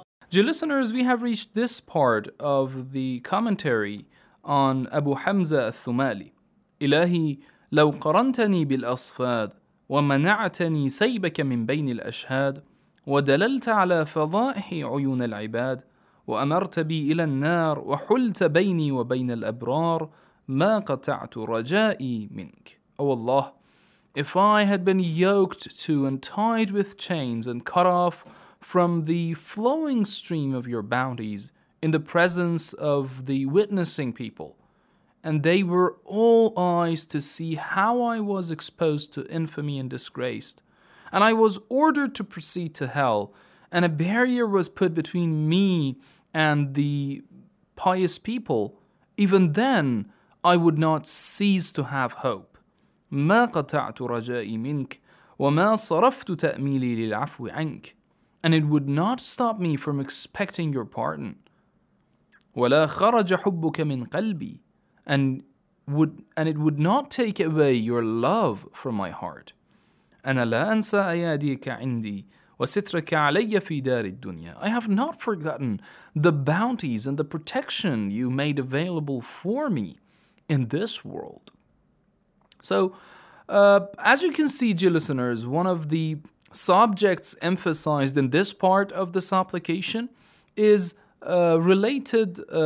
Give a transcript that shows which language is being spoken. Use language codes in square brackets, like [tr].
[en] Dear listeners, we have reached this part of the commentary on Abu Hamza al-Thumali. [ar] إلهي لو قرنتني بالأصفاد ومنعتني سيبك من بين الأشهاد ودللت على فضائح عيون العباد وأمرت بي إلى النار وحلت بيني وبين الأبرار ما قطعت رجائي منك. [en] Oh Allah, if I had been yoked to and tied with chains and cut off from the flowing stream of your bounties in the presence of the witnessing people, and they were all eyes to see how I was exposed to infamy and disgraced, and I was ordered to proceed to hell, and a barrier was put between me and the pious people, even then I would not cease to have hope. [ar] ما قطعت رجائي منك وما صرفت تأميلي للعفو عنك, [en] and it would not stop me from expecting your pardon. [ar] ولا خرج حبك من قلبي, [en] and it would not take away your love from my heart. [ar] أنا لا أنسى أياديك عندي وسترك علي في دار الدنيا. [en] I have not forgotten the bounties and the protection you made available for me in this world. So, as you can see, dear listeners, one of the subjects emphasized in this part of the supplication is related